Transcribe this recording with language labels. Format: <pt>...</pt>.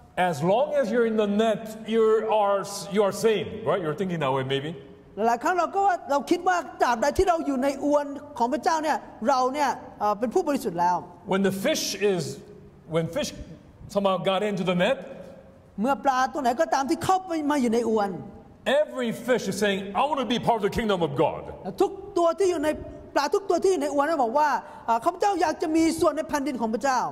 <en>as long as you're in the net you are sane right you're thinking that way maybe</en> <th>หลายครั้งเราคิดว่าตราบใดที่เราอยู่ในอวนของพระเจ้าเนี่ยเราเนี่ยเป็นผู้บริสุทธิ์แล้ว</th> <en>When the fish is when fish somehow got into the net</en> <th>เมื่อปลาตัวไหนก็ตามที่เข้าไปมาอยู่ในอวน</th> <en>Every fish is saying I want to be part of the kingdom of God</en> <th>ทุกตัวที่อยู่ในปลาทุกตัวที่อยู่ในอวนก็บอกว่าข้าพเจ้าอยากจะมีส่วนในแผ่นดินของพระเจ้า</th>